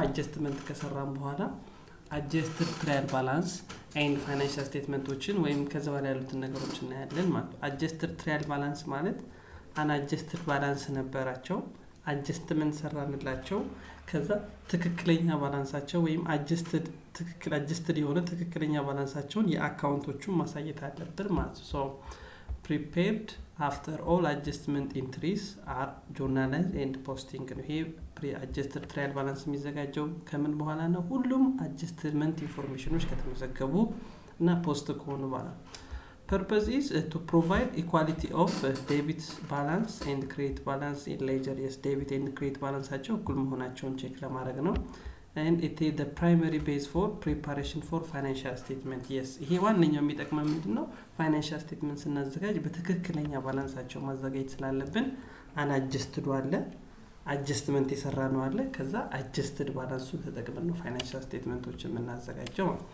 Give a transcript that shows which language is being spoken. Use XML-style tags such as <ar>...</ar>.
<am>አጀስትመንት ከሰራን በኋላ አጀስትድ ትራያል ባላንስ ኤንድ ፋይናንሻል ስቴትመንቶችን ወይም ከዛ በኋላ ያሉትን ነገሮች እናያለን ማለት ነው። አጀስትድ ትራያል ባላንስ ማለት አናጀስትድ ባላንስ ነበራቸው፣ አጀስትመንት ሰራንላቸው፣ ከዛ ትክክለኛ ባላንሳቸው ወይም አጀስትድ ትክክል አጀስትድ የሆነ ትክክለኛ ባላንሳቸውን የአካውንቶቹን ማሳየት አለብን ማለት ነው። ሶ</am> <en>ፕሪፔርድ አፍተር ኦል አጀስትመንት ኢንትሪስ አር ጆርናላይዝድ ኤንድ ፖስቲንግ ነው።</en> <am>ይሄ ፕሪ አጀስትድ ትራያል ባላንስ የሚዘጋጀው ከምን በኋላ ነው? ሁሉም አጀስትመንት ኢንፎርሜሽኖች ከተመዘገቡ እና ፖስት ከሆኑ በኋላ።</am> <en>Purpose is to provide equality of debit balance and credit balance in ledger. Yes, debit and credit balance</en> <am>አቸው እኩል መሆናቸውን ቼክ ለማድረግ ነው።</am> <en>And it is the primary base for preparation for financial statement.</en> <am>Yes, ይሄ ዋነኛው የሚጠቅመው ምንድን ነው? ፋይናንሻል ስቴትመንት ስናዘጋጅ በትክክለኛ ባላንሳቸው ማዘጋጀት ስላለብን አናጀስትድ አለ፣ አጀስትመንት የሰራ ነው አለ፣ ከዛ አጀስትድ ባላንሱን ተጠቅመን ነው ፋይናንሻል ስቴትመንቶችን የምናዘጋጀው።</am>